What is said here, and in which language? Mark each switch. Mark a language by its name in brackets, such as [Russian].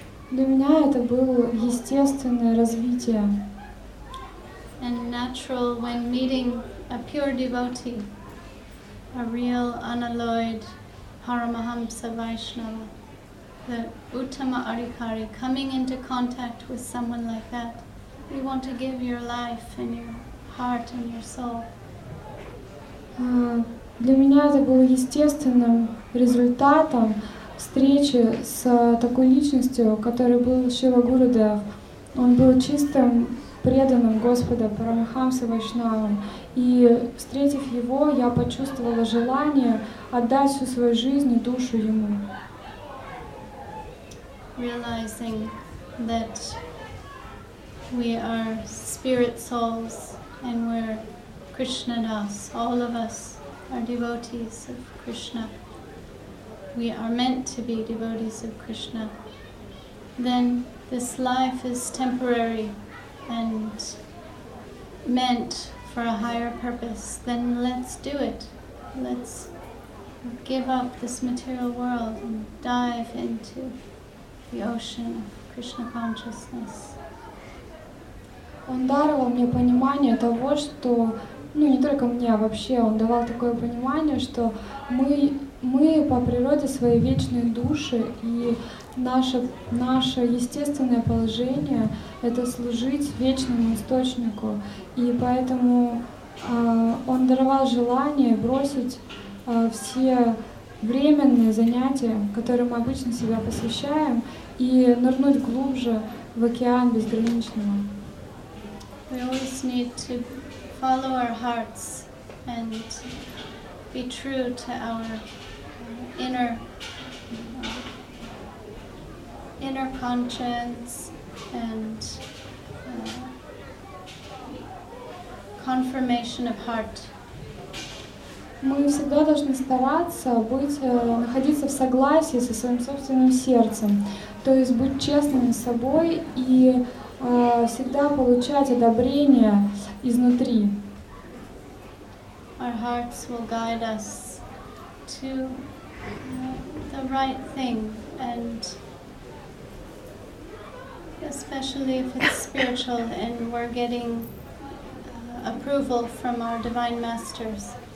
[Russian] Для меня это было естественное развитие. [English] And natural when meeting a pure devotee, a real unalloyed Paramahamsa Vaishnava, the Uttama Arikari, coming into contact with someone like that, you want to give your life and your heart and your soul. [Russian] Для меня это было естественным результатом встречи с такой личностью, которой был Шрила Гурудев. Он был чистым преданным Господа Парамахамса Вайшнавам. И встретив его, я почувствовала желание отдать всю свою жизнь и душу ему. [English] Realizing that we are spirit souls and we're Krishna Das, all of us are devotees of Krishna. We are meant to be devotees of Krishna. Then this life is temporary and meant for a higher purpose, then let's do it. Let's give up this material world and dive into the ocean of Krishna consciousness. [Russian] Он даровал мне понимание того, что, ну не только мне, а вообще, он давал такое понимание, что мы по природе свои вечные души, и наше естественное положение — это служить вечному источнику. И поэтому он даровал желание бросить все временные занятия, которым мы обычно себя посвящаем, и нырнуть глубже в океан безграничного. [English] We always need to follow our hearts and be true to our inner conscience and confirmation of heart. [Russian] Мы всегда должны стараться находиться в согласии со своим собственным сердцем, то есть быть честными с собой и всегда получать одобрение изнутри. [English] Our hearts will guide us to the right thing, and especially if it's spiritual and we're getting approval from our divine masters.